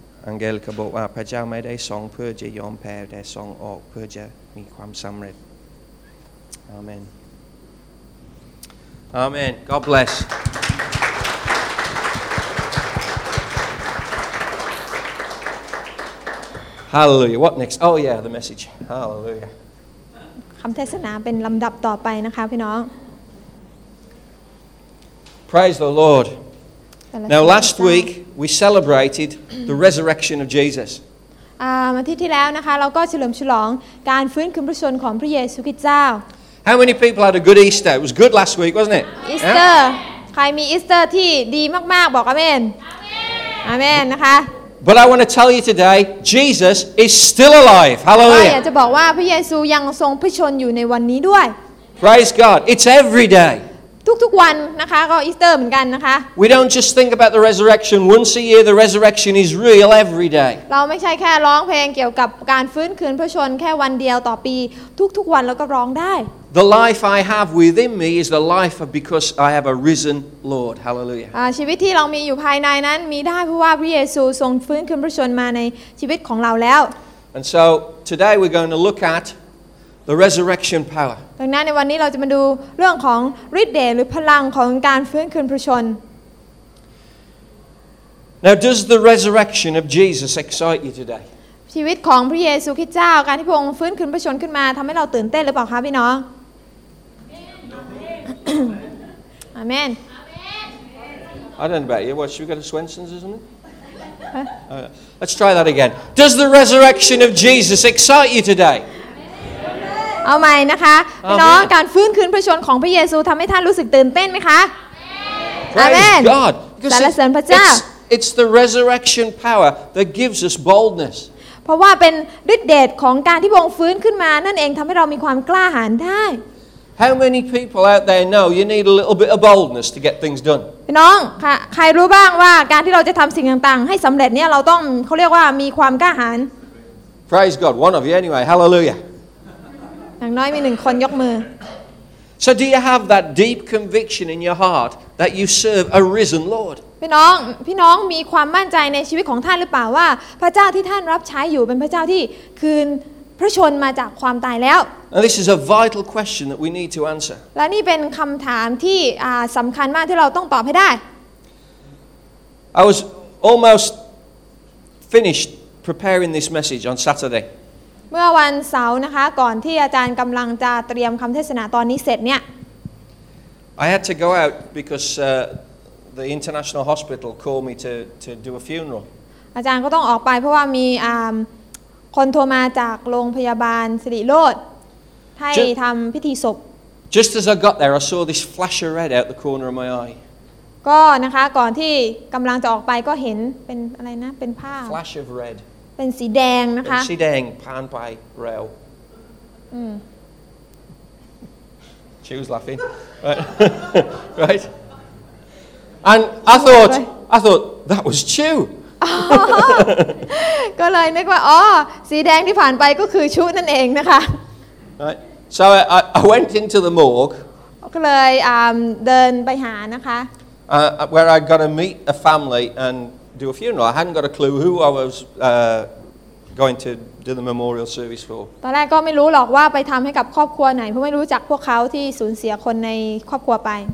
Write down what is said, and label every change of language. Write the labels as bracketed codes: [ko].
[th] Angelica บอกว่าพระเจ้าไม่ได้ส่งเพื่อจะยอมแพ้แต่ส่งออกเพื่อจะมีความสำเร็จอาเมนอาเมน [en] God bless Hallelujah What next Oh yeah the message Hallelujah [th] คำเทศนาเป็นลำดับต่อไปนะคะพี่น้อง [en] Praise the LordNow, last week we celebrated the resurrection of Jesus. [th] อาทิตย์ที่แล้วนะคะเราก็เฉลิมฉลองการฟื้นคืนพระชนของพระเยซูคริสต์เจ้า [en] How many people had a good Easter? It was good last week, wasn't it? Easter. [th] ใครมี Easter ที่ดีมากๆบอก Amen. [en] Amen. นะคะ But I want to tell you today, Jesus is still alive. Hallelujah. [th] อยากจะบอกว่าพระเยซูยังทรงพระชนอยู่ในวันนี้ด้วย [en] Praise God. It's every day. [th] ทุกๆวันนะคะก็อีสเตอร์เหมือนกันนะคะ [en] We don't just think about the resurrection once a year. The resurrection is real every day. [th] เราไม่ใช่แค่ร้องเพลงเกี่ยวกับการฟื้นคืนพระชนแค่วันเดียวต่อปีทุกๆวันเราก็ร้องได้ [en] The life I have within me is the life of because I have a risen Lord. Hallelujah. [th] ชีวิตที่เรามีอยู่ภายในนั้นมีได้เพราะว่าพระเยซูทรงฟื้นคืนพระชนมาในชีวิตของเราแล้ว [en] And so today we're going to look at the resurrection power. [th] ดังนั้นในวันนี้เราจะมาดูเรื่องของฤทธิ์เดชหรือพลังของการฟื้นคืนพระชน [en] Now does the resurrection of Jesus excite you today? [th] ชีวิตของพระเยซูคริสต์เจ้าการที่พระองค์ฟื้นคืนพระชนขึ้นมาทำให้เราตื่นเต้นหรือเปล่าคะพี่น้อง Amen. [en] Amen. I don't know about you. What should we go to Swenson's, isn't it? Let's try that again. Does the resurrection of Jesus excite you today? [th] เอาใหม่นะคะพี่น้องการฟื้นคืนพระชนของพระเยซูทำให้ท่านรู้สึกตื่นเต้นไหมคะอาเมนสรรเสริญพระเจ้า [en] It's the resurrection power that gives us boldness [th] เพราะว่าเป็นฤทธิ์เดชของการที่พระองค์ฟื้นขึ้นมานั่นเองทำให้เรามีความกล้าหาญได้ [en] How many people out there know you need a little bit of boldness to get things done [th] พี่น้องใครรู้บ้างว่าการที่เราจะทำสิ่งต่างๆให้สำเร็จเนี่ยเราต้องเขาเรียกว่ามีความกล้าหาญ [en] Praise God one of you anyway Hallelujah. [th] อย่างน้อยมีหนึ่งคนยกมือ [en] So do you have that deep conviction in your heart that you serve a risen Lord? [th] พี่น้องมีความมั่นใจในชีวิตของท่านหรือเปล่าว่าพระเจ้าที่ท่านรับใช้อยู่เป็นพระเจ้าที่คืนพระชนมาจากความตายแล้ว [en] Now this is a vital question that we need to answer. [th] และนี่เป็นคำถามที่สำคัญมากที่เราต้องตอบให้ได้ [en] I was almost finished preparing this message on Saturday. [th] เมื่อวันเสาร์นะคะก่อนที่อาจารย์กำลังจะเตรียมคำเทศนาตอนนี้เสร็จเนี่ย [en] I had to go out because the international hospital called me to do a funeral [th] อาจารย์ก็ต้องออกไปเพราะว่ามีคนโทรมาจากโรงพยาบาลสิริโรจน์ให้ทำพิธีศพ [en] Just as I got there I saw this flash of red out the corner of my eye [th] ก็นะคะก่อนที่กำลังจะออกไปก็เห็นเป็นอะไรนะเป็นภาพ [en] flash of red [th] เป็นสีแดงนะคะ สีแดงผ่านไปเร็วชิวส์ [en] laughing right right and I thought that was ชิว [th] ก็เลยนึกว่าอ๋อสีแดงที่ผ่านไปก็คือชุนั่นเองนะคะ [en] right so I went into the morgue [th] ก็เลยเดินไปหานะคะ [en] where I got to meet a family and do a funeral I hadn't got a clue who I wasgoing to do the memorial service for [th] ตอนแรกก็ไม่รู้หรอกว่าไปทำให้กับครอบครัวไหนเพราะไม่รู้จักพวกเขาที่สูญเสียคนในครอบครัวไป